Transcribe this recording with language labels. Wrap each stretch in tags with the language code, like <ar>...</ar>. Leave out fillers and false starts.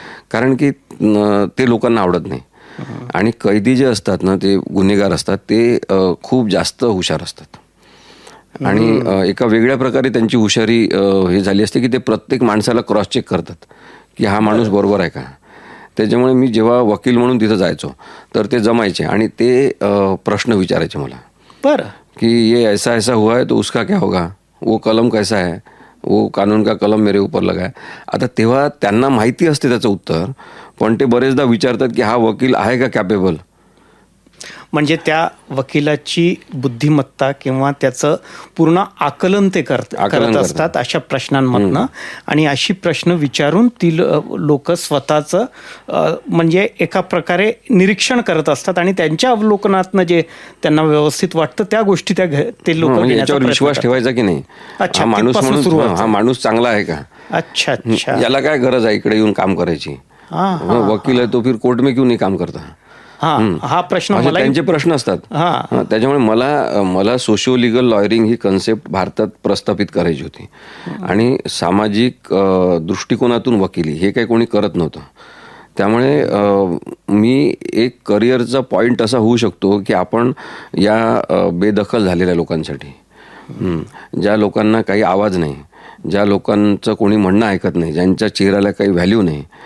<mr>कारण की ते लोकांना आवडत नाही. आणि कैदी जे असतात ना, ते गुन्हेगार असतात, ते खूप जास्त हुशार असतात आणि एका वेगळ्या प्रकारे त्यांची हुशारी हे झाली असते की ते प्रत्येक माणसाला क्रॉस चेक करतात की हा माणूस बरोबर आहे का. त्याच्यामुळे मी जेव्हा वकील म्हणून तिथं जायचो तर ते जमायचे आणि ते प्रश्न विचारायचे मला. बरं,</mr> <hi>की ये ऐसा ऐसा हुआ है तो उसका क्या होगा, वो कलम कैसा है, वो कानून का कलम मेरे ऊपर लगा है.</hi> <mr>आता तेव्हा त्यांना माहिती असते त्याचं उत्तर, पण ते बरेचदा विचारतात की हा वकील आहे का कॅपेबल. म्हणजे त्या वकिलाची बुद्धिमत्ता किंवा त्याचं पूर्ण आकलन ते करत असतात अशा प्रश्नांमधनं. आणि अशी प्रश्न विचारून ती लोक स्वतःचं म्हणजे एका प्रकारे निरीक्षण करत असतात आणि त्यांच्या अवलोकनातनं जे त्यांना व्यवस्थित वाटतं त्या गोष्टी त्या ते लोक याच्यावर विश्वास ठेवायचा की नाही.</mr> <hi>अच्छा,</hi> <mr>माणूस हा माणूस चांगला आहे का.</mr> <hi>अच्छा,</hi> <mr>याला काय गरज आहे इकडे येऊन काम करायची. वकील आहे</mr> <hi>तो फिर कोर्ट में क्यों नहीं काम करता.</hi> <mr>हा प्रश्न त्यांचे प्रश्न असतात. त्याच्यामुळे मला सोशो लिगल लॉयरिंग ही कन्सेप्ट भारतात प्रस्थापित करायची होती आणि सामाजिक दृष्टिकोनातून वकिली हे काही कोणी करत नव्हतं. त्यामुळे मी एक करिअरचा पॉईंट असा होऊ शकतो की आपण या बेदखल झालेल्या लोकांसाठी, ज्या लोकांना काही आवाज नाही, ज्या लोकांचं कोणी म्हणणं ऐकत नाही, ज्यांच्या चेहऱ्याला काही व्हॅल्यू नाही,</mr>